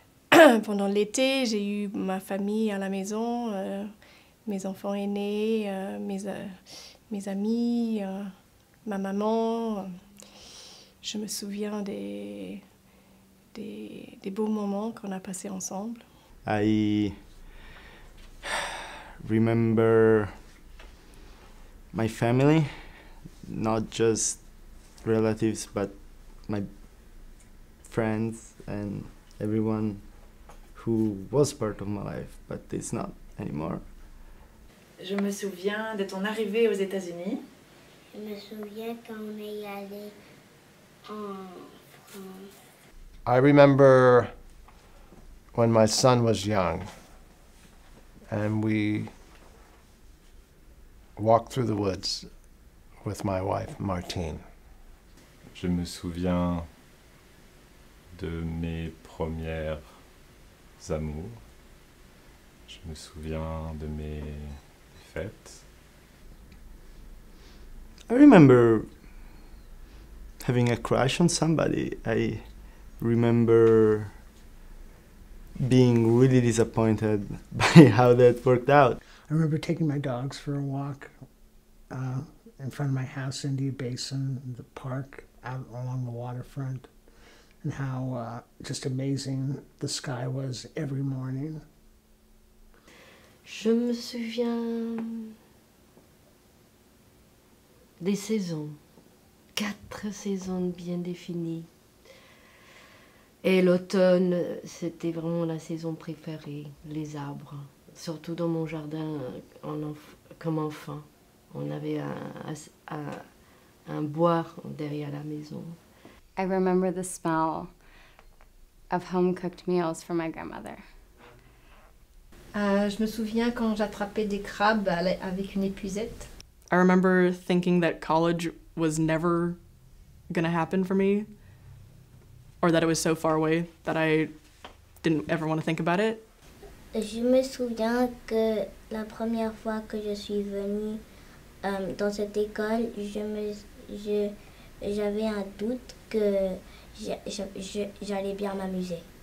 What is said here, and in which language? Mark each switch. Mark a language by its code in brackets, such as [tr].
[fr] Pendant l'été, j'ai eu ma famille à la maison, mes enfants aînés, mes amis, ma maman. Je me souviens des beaux moments qu'on a passés ensemble. [en] I remember my family, not just relatives, but my friends and everyone who was part of my life, but it's not anymore. [fr] Je me souviens de ton arrivée aux États-Unis. Je me souviens quand on est allé en France. [en] I remember when my son was young and we walked through the woods with my wife, Martine. [fr] Je me souviens de mes premières amours. Je me souviens de mes fêtes. [en] I remember having a crush on somebody. I remember being really disappointed by how that worked out. I remember taking my dogs for a walk in front of my house, Indian Basin, in the park out along the waterfront, and how just amazing the sky was every morning. [fr] Je me souviens des saisons, quatre saisons bien définies. Et l'automne, c'était vraiment la saison préférée, les arbres. Surtout dans mon jardin, comme enfant. On avait un bois derrière la maison. [en] I remember the smell of home-cooked meals from my grandmother. [fr] Je me souviens quand j'attrapais des crabes avec une épuisette. [en] I remember thinking that college was never gonna happen for me, or that it was so far away that I didn't ever want to think about it. [fr] Je me souviens que la première fois que je suis venue dans cette école, j'avais un doute que j'allais bien m'amuser.